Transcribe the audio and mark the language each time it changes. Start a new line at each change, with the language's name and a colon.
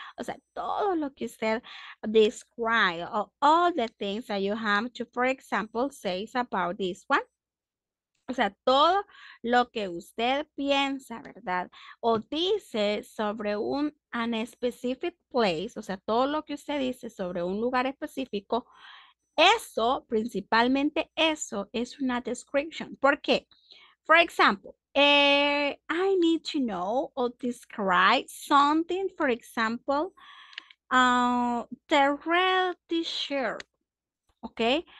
Spanish: O sea, todo lo que usted describe
English: or all the things that you have to, for example, say is about this one.
Spanish: O sea, todo lo que usted piensa, ¿verdad? O dice sobre
English: an specific place.
Spanish: O sea, todo lo que usted dice sobre un lugar específico. Eso, principalmente eso, es una description. ¿Por qué?
English: For example, I need to know or describe something, for example, the red t-shirt, okay?